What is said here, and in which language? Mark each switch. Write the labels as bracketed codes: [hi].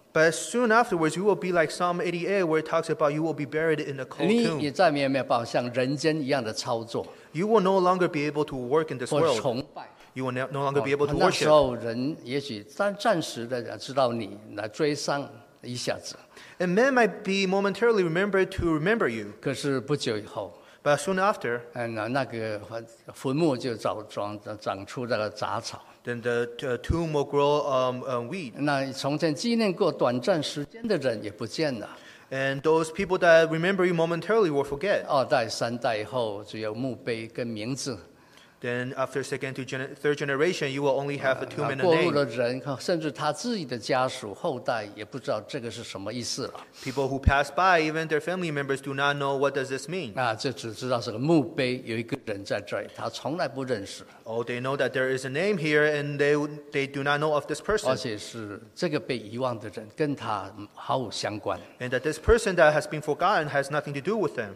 [en] But soon afterwards, you will be like Psalm 88, where it talks about you will be buried in a cold tomb. [zh] 你再没有办法像人间一样的操作。 [en] You will no longer be able to work in this world. [zh] 或崇拜。 [en] You will no longer be able to worship. [zh] 那时候人也许暂时的知道你来追上一下子。 [en] And men might be momentarily remembered to remember you. [zh] 可是不久以后， [en] but soon after, [zh] 那个坟墓就长出这个杂草。 [en] Then the tomb will grow weed. [zh] 那从前纪念过短暂时间的人也不见了。 [en] And those people that remember you momentarily will forget. [zh] 二代三代以后，只有墓碑跟名字。 [en] Then after second to third generation, you will only have a tomb and a name. [zh] 过路的人，甚至他自己的家属后代也不知道这个是什么意思了。 [en] People who pass by, even their family members, do not know what does this mean. [zh] 啊，这只知道是个墓碑，有一个人在这里，他从来不认识。 [en] Oh, they know that there is a name here, and they do not know of this person. [zh] 而且是这个被遗忘的人，跟他毫无相关。 [en] And that this person that has been forgotten has nothing to do with them.